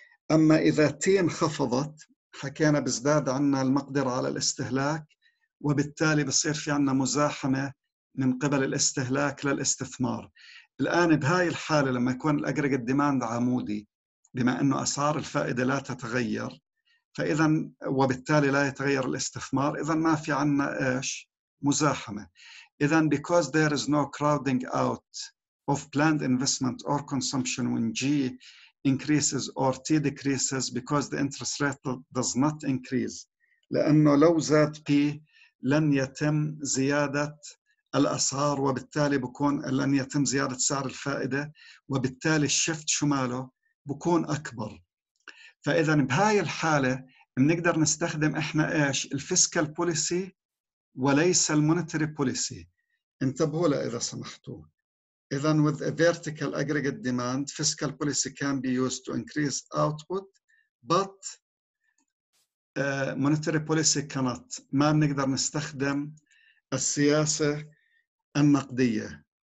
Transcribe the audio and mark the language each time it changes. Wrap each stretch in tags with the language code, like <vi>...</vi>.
<ar>أما إذا تي انخفضت حكينا بزداد عنا المقدرة على الاستهلاك، وبالتالي بصير في عنا مزاحمة من قبل الاستهلاك للاستثمار. الآن بهاي الحالة لما يكون الأجريجيت ديماند عمودي بما أنه أسعار الفائدة لا تتغير، فإذا وبالتالي لا يتغير الاستثمار، إذا ما في عنا إيش؟ مزاحمة.</ar> <en>إذا because there is no crowding out of planned investment or consumption when G increases or T decreases because the interest rate does not increase.</en> <ar>لأنه لو زاد P لن يتم زيادة الأسعار، وبالتالي بكون لن يتم زيادة سعر الفائدة، وبالتالي الشفت شماله بكون أكبر. فإذا بهاي الحالة بنقدر نستخدم إحنا إيش؟ الفيسكال بوليسي وليس المونيتري بوليسي. انتبهوا لها إذا سمحتوا.</ar> <en>Then with a vertical aggregate demand, fiscal policy can be used to increase output, but monetary policy cannot.</en> <ar>ما بنقدر نستخدم السياسة النقدية.</ar>